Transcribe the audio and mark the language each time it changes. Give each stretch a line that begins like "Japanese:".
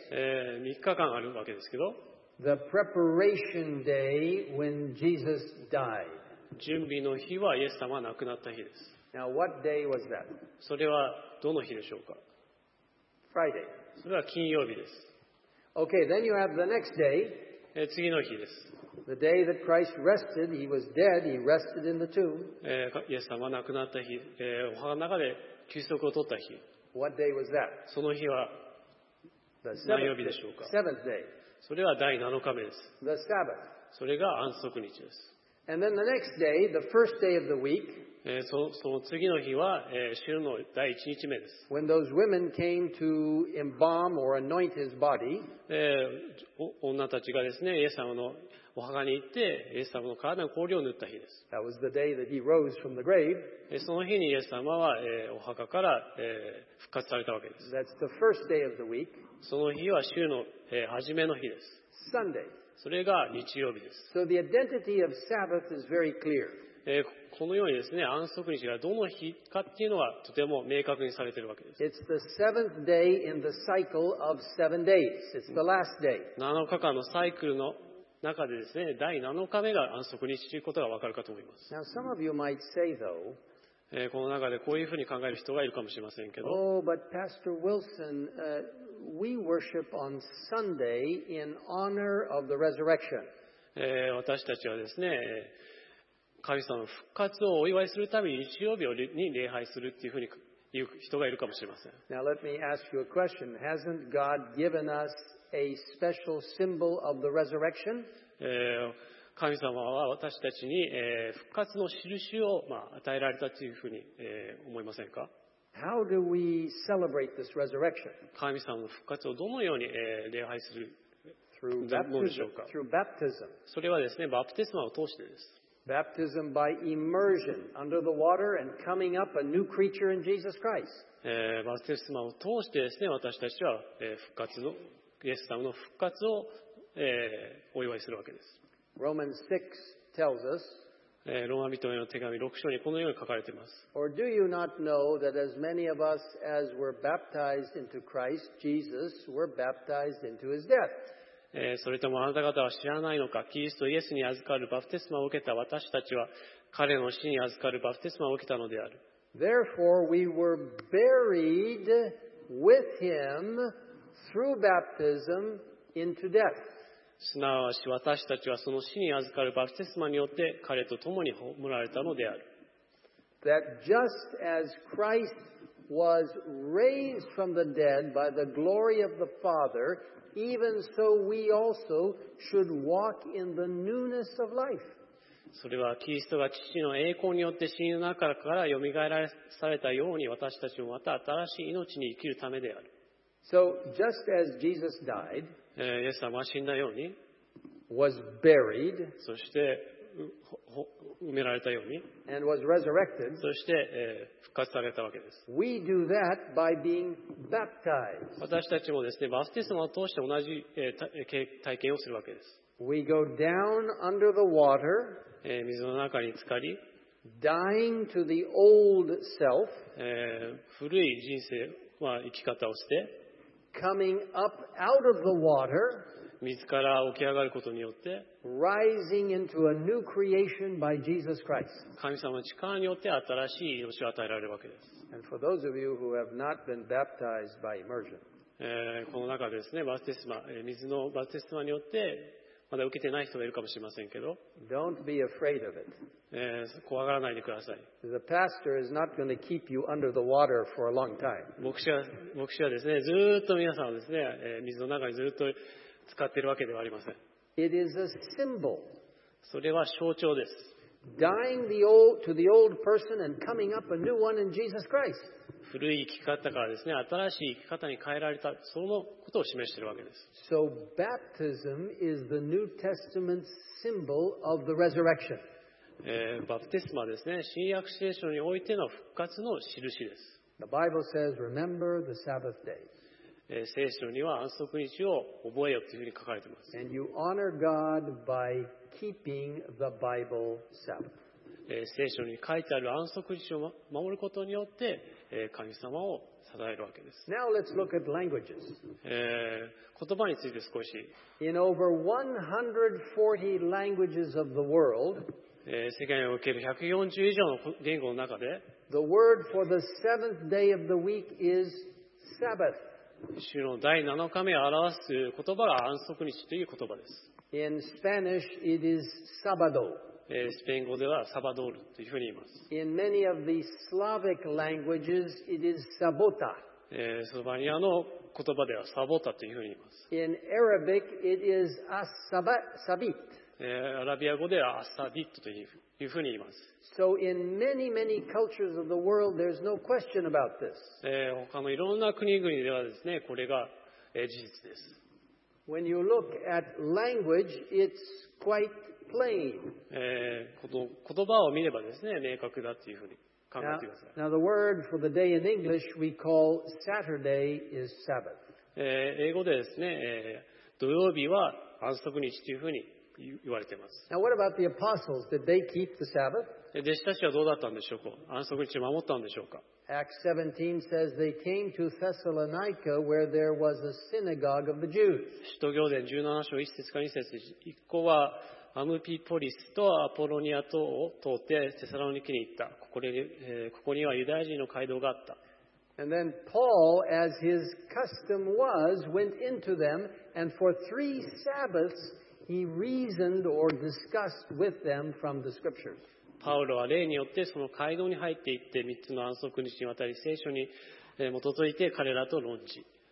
Japanese: 3日間あるわけですけど。
English: The preparation day when Jesus died.
Japanese: 準備の日はイエス様が亡くなった日です。
English: Now, what day was that?
Japanese: それはどの日でしょうか
English: ?Friday.
Japanese: それは金曜日です。
English: Okay, then you have the next day.
Japanese: 次の日です。
English: The day that Christ rested, he was dead, he rested in the tomb.
Japanese: イエス様が亡くなった日、お墓の中で休息を取った日。
English: What day was that?
Japanese: その日は何曜日でしょうか
English: ?Seventh day.
Japanese: それは第7日目です。
English: The Sabbath.
Japanese: それが安息日です。
English: And then the next day, the first day of the week,
Japanese: その次の日は、週の第一日目です。
English: When those women came to embalm or anoint his body,
Japanese: 女たちがですね、イエス様のお墓に行って、イエス様の体に香料を塗った日です。
English: That was the day that he rose from the grave.
Japanese: その日にイエス様は、お墓から、復活されたわけです。
English: That's the first day of the week.
Japanese: その日は週の、初めの日です。
English: Sunday.
Japanese: それが日曜日です。
English: So the identity of Sabbath is very clear.
Japanese: このようにですね、安息日がどの日かっていうのはとても明確にされているわけです。
English: It's the seventh day in the cycle of seven days. It's the last day.
Japanese: 7日間のサイクルの中でですね、第7日目が安息日ということがわかるかと思います。
English: Now some of you might say though,
Japanese: この中でこういうふうに考える人がいるかもしれませんけど。
English: Oh, but Pastor Wilson, we worship on Sunday in honor of the resurrection.
Japanese: 私たちはですね、神様の復活をお祝いするために日曜日に礼拝するっていうふうに言う人がいるかもしれません。
English: Now let me ask you a question. Hasn't God given us a special symbol of the resurrection?
Japanese: 神様は私たちに復活の印を与えられたというふうに思いませんか?
English: How do we celebrate this resurrection?
Japanese: 神様の復活をどのように礼拝するのでしょうか?
English: Through baptism.
Japanese: それはですね、バプテスマを通してです。
English: Baptism by immersion under the water and coming up a new creature in Jesus Christ.
Japanese: バプテスマを通してですね、私たちは復活のイエス様の復活をお祝いするわけです。
English: Romans 6 tells us,
Japanese: ローマ人への手紙6章にこのように書かれています。
English: Or do you not know that as many of us as were baptized into Christ Jesus were baptized into his death?
Japanese: それともあなた方は知らないのか、キリストイエスに預かるバプテスマを受けた私たちは彼の死に預かるバプテスマを受けたのである。
English: Therefore we were buried with him through baptism into death.
Japanese: すなわち私たちはその死に預かるバプテスマによって彼と共に葬られたのである。
English: That just as Christ was raised from the dead by the glory of the Father, even so we also should walk in the newness of life.
Japanese: それはキリストが父の栄光によって死の中からよみがえらされたように私たちもまた新しい命に生きるためである。
English: So, just as Jesus died,
Japanese: イエス様は死んだように、
English: was buried,
Japanese: そして埋められたように、
English: and was resurrected,
Japanese: そして、復活されたわけです。
English: We do that by being baptized.
Japanese: 私たちもですね、バプテスマを通して同じ、体験をするわけです。
English: We go down under the water,
Japanese: 水の中に浸かり、
English: dying to the old self,
Japanese: 古い人生、生き方をして、
English: coming up out of the water,
Japanese: 水から起き上がることによって、
English: rising into a new creation by Jesus Christ.
Japanese: 神様の力によって新しい命を与えられるわけです。
English: And for those of you who have not been baptized by immersion,
Japanese: この中ですね、バプテスマ、水のバプテスマによって、まだ受けてない人がいるかもしれませんけど、
English: Don't be afraid of it.
Japanese: 怖がらないでください。
English: The pastor is not going to keep you under the water for a long time.
Japanese: 牧師はですね、ずっと皆さんをですね、水の中にずっと使っているわけではありません。
English: It is a symbol.
Japanese: それは象徴です。
English: Dying the old, to the old person and coming up a new one in Jesus Christ.
Japanese: 古い生き方からですね、新しい生き方に変えられた、そのことを示しているわけです。
English: So baptism is the New Testament symbol of the resurrection.
Japanese: バプテスマはですね、新約聖書においての復活の印です。
English: The Bible says, remember the Sabbath day.
Japanese: 聖書には安息日を覚えよというふうに書かれています。
English: And you honor God by keeping the Bible Sabbath.
Japanese: 聖書に書いてある安息日を守ることによって、神様を讃えるわけです。
English: Now let's look at languages.
Japanese: 言葉について少し。
English: In over 140 languages of the world,
Japanese: 世界における140以上の言語の中で、
English: the word for the seventh day of the week is Sabbath.
Japanese: 主の第7日目を表す言葉が安息日という言葉です。
English: In Spanish, it is Sabado.
Japanese: スペイン語ではサバドールというふうに言います。
English: In many of the Slavic languages, it is Sabota.
Japanese: スロバニアの言葉ではサボタというふうに言います。
English: In Arabic, it is Asabit.
Japanese: アラビア語ではアサビットというふうに言います。
English: So in many, many cultures of the world, there's no question about this.
Japanese: 他のいろんな国々ではですね、これが事実です。
English: When you look at language, it's quite plain.
Japanese: 言葉を見ればですね、明確だというふうに考えてください。
English: Now the word for the day in English we call Saturday is Sabbath.
Japanese: 英語でですね、土曜日は安息日というふうに言われています。
English: Now what about the apostles? Did they keep the Sabbath?
Japanese: 弟子たちはどうだったんでしょうか。安息日守ったんでしょうか。
English: Acts 17 says they came to Thessalonica where there was a synagogue of the Jews.
Japanese: 使徒行伝17章1節か2節で、一行はアムピポリスとアポロニア島を通ってテサロニケに行った。ここにはユダヤ人の街道があった。
English: And then Paul, as his custom was, went into them and for three Sabbaths he reasoned or discussed with them from the scriptures.
Japanese: パウロは霊によってその街道に入っていって三つの安息日にわたり聖書に基づいて彼らと論じ。